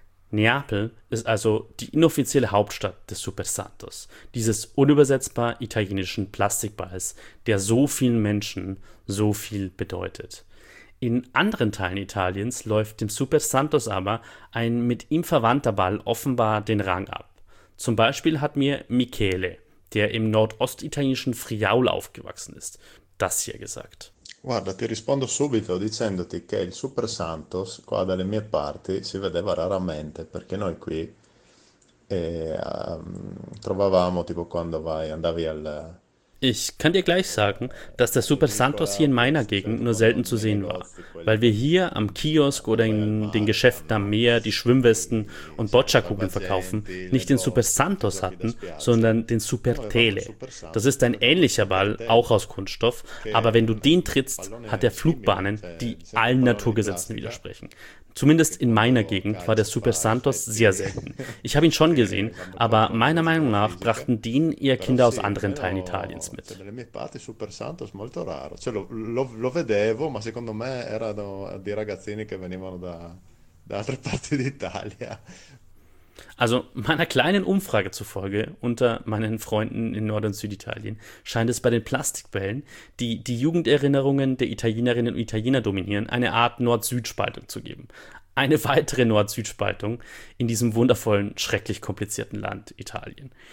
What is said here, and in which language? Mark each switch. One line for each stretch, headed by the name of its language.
German: Neapel ist also die inoffizielle Hauptstadt des Super Santos, dieses unübersetzbar italienischen Plastikballs, der so vielen Menschen so viel bedeutet. In anderen Teilen Italiens läuft dem Super Santos aber ein mit ihm verwandter Ball offenbar den Rang ab. Zum Beispiel hat mir Michele, der im nordostitalienischen Friaul aufgewachsen ist, das hier gesagt.
Italian: Guarda, ti rispondo subito dicendoti che il Super Santos qua dalle mie parti si vedeva raramente perché noi qui trovavamo tipo quando vai andavi
German: Ich kann dir gleich sagen, dass der Super Santos hier in meiner Gegend nur selten zu sehen war, weil wir hier am Kiosk oder in den Geschäften am Meer die Schwimmwesten und Boccia-Kugeln verkaufen, nicht den Super Santos hatten, sondern den Super Tele. Das ist ein ähnlicher Ball, auch aus Kunststoff, aber wenn du den trittst, hat er Flugbahnen, die allen Naturgesetzen widersprechen. Zumindest in meiner Gegend war der Super Santos sehr selten. Ich habe ihn schon gesehen, aber meiner Meinung nach brachten den eher Kinder aus anderen Teilen Italiens mit.
Italian: Super Santos molto raro. Cioè lo vedevo, ma secondo me erano dei ragazzini che venivano da altre parti d'Italia.
German: Also, meiner kleinen Umfrage zufolge unter meinen Freunden in Nord- und Süditalien scheint es bei den Plastikbällen, die die Jugenderinnerungen der Italienerinnen und Italiener dominieren, eine Art Nord-Süd-Spaltung zu geben. Eine weitere Nord-Süd-Spaltung in diesem wundervollen, schrecklich komplizierten Land Italien.